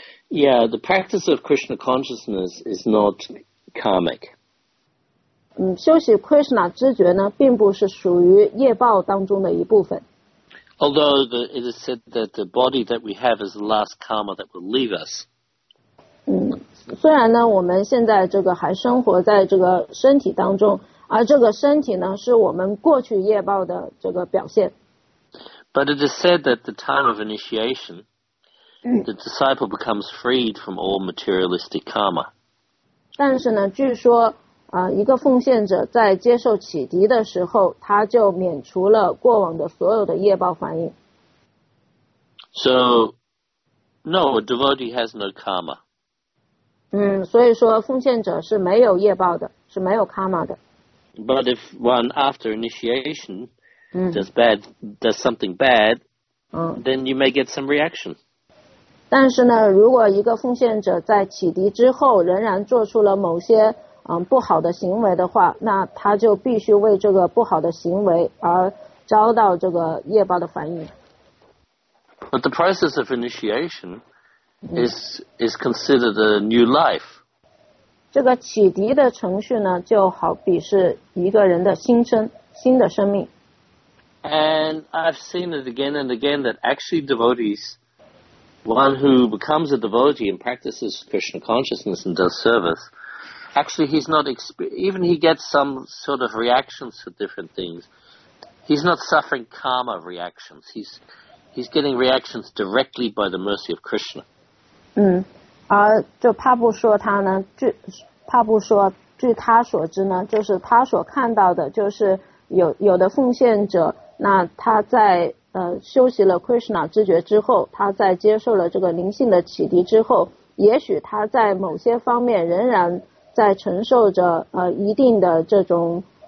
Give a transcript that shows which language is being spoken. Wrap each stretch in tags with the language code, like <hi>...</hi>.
<en>Yeah, the practice of Krishna consciousness is not karmic.</en> <zh>修习 Krishna 知觉呢，并不是属于业报当中的一部分。</zh> <en>Although it is said that the body that we have is the last karma that will leave us.</en> <zh>虽然呢，我们现在这个还生活在这个身体当中，而这个身体呢，是我们过去业报的这个表现。</zh> <en>But it is said that the time of initiation, the disciple becomes freed from all materialistic karma.</en> <zh>但是呢，据说一个奉献者在接受启迪的时候，他就免除了过往的所有的业报反应。</zh> <en>So, no, a devotee has no karma.</en> <zh>所以说奉献者是没有业报的，是没有 karma 的。</zh> <en>But if one after initiation does something bad, then you may get some reaction.</en> <zh>但是呢，如果一个奉献者在启迪之后仍然做出了某些不好的行为的话，那他就必须为这个不好的行为而遭到这个业报的反应。</zh> <en>But the process of initiation is considered a new life.</en> <zh>这个启迪的程序呢，就好比是一个人的新生，新的生命。</zh> <en>And I've seen it again and again that actually devotees, one who becomes a devotee and practices Krishna consciousness and does service,Actually, he's not even he gets some sort of reactions to different things. He's not suffering karma reactions. He's getting reactions directly by the mercy of Krishna.</en> <zh>而就帕布说他呢，据他所知呢，就是他所看到的，就是有的奉献者，那他在修习了 Krishna 知觉之后，他在接受了这个灵性的启迪之后，也许他在某些方面仍然在承受着一定的这种</zh>